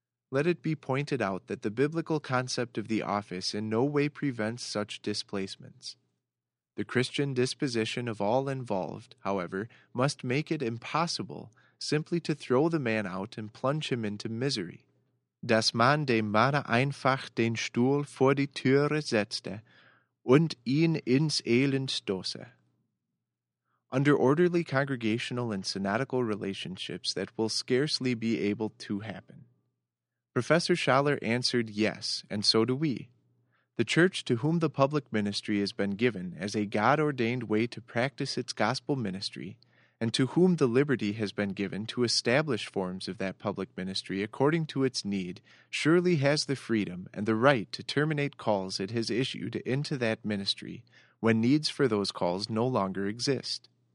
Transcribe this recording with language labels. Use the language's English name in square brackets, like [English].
[English] Let it be pointed out that the biblical concept of the office in no way prevents such displacements. The Christian disposition of all involved, however, must make it impossible simply to throw the man out and plunge him into misery. [German] Dass man dem Manne einfach den Stuhl vor die Türe setzte und ihn ins Elend stoße. [English] Under orderly congregational and synodical relationships, that will scarcely be able to happen. Professor Schaller answered yes, and so do we. The church to whom the public ministry has been given as a God-ordained way to practice its gospel ministry, and to whom the liberty has been given to establish forms of that public ministry according to its need, surely has the freedom and the right to terminate calls it has issued into that ministry when needs for those calls no longer exist.